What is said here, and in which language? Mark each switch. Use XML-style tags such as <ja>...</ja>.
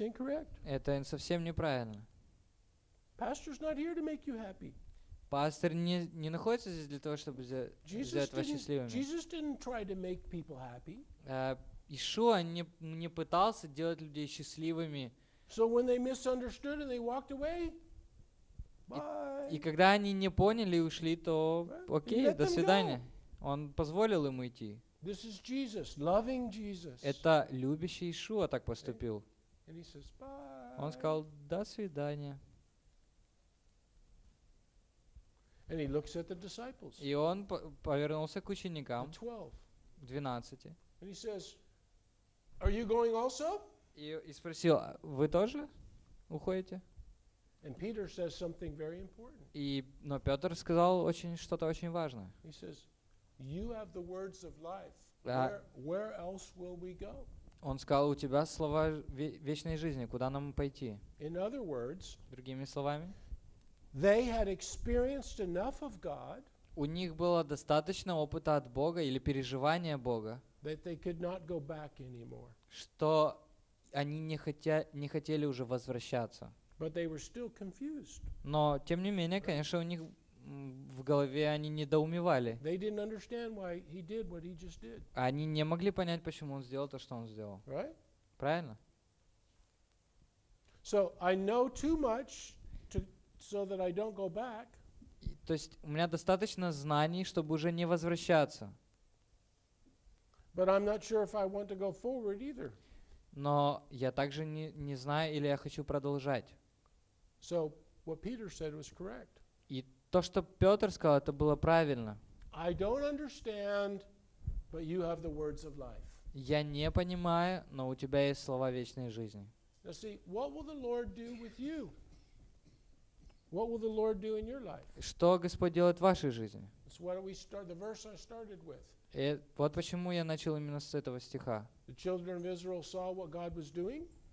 <en>incorrect.</en> <ru>Это совсем неправильно.</ru> <en>Pastor's not here to make you happy.</en> <ru>Пастор не находится здесь для того, чтобы сделать вас счастливыми.</ru> <en>Jesus didn't try to make people happy.</en> <ru>Иешуа не пытался делать людей счастливыми.</ru> <en>So when they misunderstood and they walked away, bye.</en> <ru>И когда они не поняли и ушли, то окей, до свидания. Он позволил им уйти.</ru> <en>This is Jesus, loving Jesus.</en> <ru>Это любящий Иешуа так поступил.</ru> <en>And he says, bye.</en> <ru>Он сказал до свидания.</ru> <en>And he looks at the disciples.</en> <ru>И он повернулся к ученикам.</ru> <en>12. And he says, "Are you going also?"</en> <ru>И спросил: "Вы тоже уходите?"</ru> <en>And Peter says something very important.</en> <ru>Но Петр сказал что-то очень важное.</ru> <en>He says, "You have the words of life. Where else will we go?"</en> <ru>Он сказал: "У тебя слова вечной жизни. Куда нам пойти?"</ru> <en>In other words,</en> <ru>другими словами,</ru> <en>They had experienced enough of God.</en> <ru>У них было достаточно опыта от Бога или переживания Бога.</ru> <en>That they could not go back anymore.</en> <ru>Что они не хотели уже возвращаться.</ru> <en>But they were still confused.</en> <ru>Но тем не менее, конечно, у них в голове они недоумевали.</ru> <en>They didn't understand why he did what he just did.</en> <ru>Они не могли понять, почему он сделал то, что он сделал.</ru> <en>Right?</en> <ru>Правильно?</ru> <en>So I know too much to so that I don't go back.</en> <ru>То есть у меня достаточно знаний, чтобы уже не возвращаться.</ru> <en>But I'm not sure if I want to go forward either.</en> <ru>Но я также не знаю, или я хочу продолжать.</ru> <en>So what Peter said was correct.</en> <ru>И то, что Петр сказал, это было правильно.</ru> <en>I don't understand, but you have the words of life.</en> <ru>Я не понимаю, но у тебя есть слова вечной жизни.</ru> <en>Now see, what will the Lord do with you? What will the Lord do in your life?</en> <ru>Что Господь делает в вашей жизни?</ru> <en>That's what we start, the verse I started with.</en> <ru>И вот почему я начал именно с этого стиха.</ru> <en>The children of Israel saw what God was doing.</en>